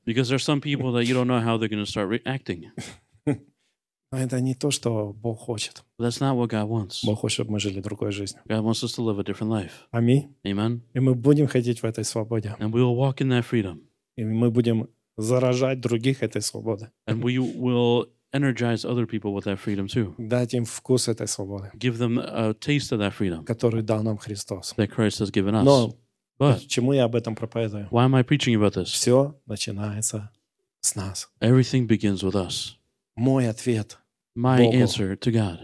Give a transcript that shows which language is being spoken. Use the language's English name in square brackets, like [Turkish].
[English] Because there are some people that you don't know how they're going to start reacting. [Russian] Но это не то, что Бог хочет. [English] That's not what God wants. [Russian] Бог хочет, чтобы мы жили другой жизнью. [English] God wants us to live a different life. [Russian] Аминь. [English] Amen. [Russian] И мы будем ходить в этой свободе. [English] And we will walk in that freedom. [Russian] И мы будем заражать других этой свободой. [English] And we will energize other people with that freedom too. [Russian] Дать им вкус этой свободы. [English] Give them a taste of that freedom. [Russian] Который дал нам Христос. [English] That Christ has given us. [Russian] Но почему я об этом проповедую? [English] Why am I preaching about this? [Russian] Все начинается с нас. [English] Everything begins with us. [Russian] Мой ответ [English] My [Russian] Богу. [English] Answer to God.